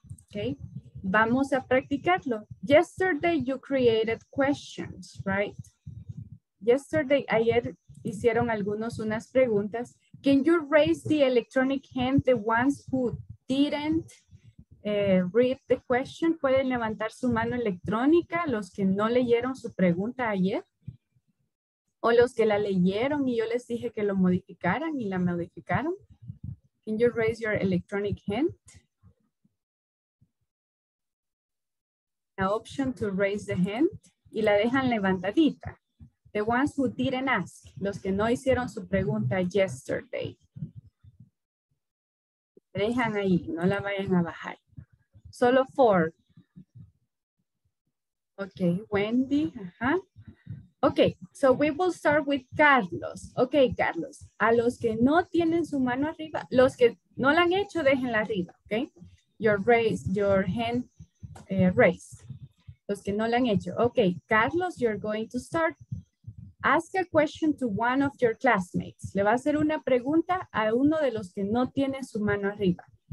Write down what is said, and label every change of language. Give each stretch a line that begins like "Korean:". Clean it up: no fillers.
English: Okay,
Spanish: vamos a practicarlo.
English: Yesterday you created questions, right? Yesterday,
Spanish: ayer hicieron algunos unas preguntas.
English: Can you raise the electronic hand, the ones who didn't read the question?
Spanish: ¿Pueden levantar su mano electrónica los que no leyeron su pregunta ayer? O los que la leyeron y yo les dije que lo modificaran y la modificaron.
English: Can you raise your electronic hand? The option to raise the hand.
Spanish: Y la dejan levantadita.
English: The ones who didn't ask.
Spanish: Los que no hicieron su pregunta
English: yesterday.
Spanish: Dejan ahí, no la vayan a bajar. Solo 4.
English: Okay, Wendy, ajá. Okay, so we will start with Carlos.
Spanish: Okay, Carlos, a los que no tienen su mano arriba, los que no la han hecho, déjenla arriba, okay?
English: Your hand raised.
Spanish: Los que no la han hecho.
English: Okay, Carlos, you're going to start. Ask a question to one of your classmates.
Spanish: Le va a hacer una pregunta a uno de los que no tiene su mano arriba.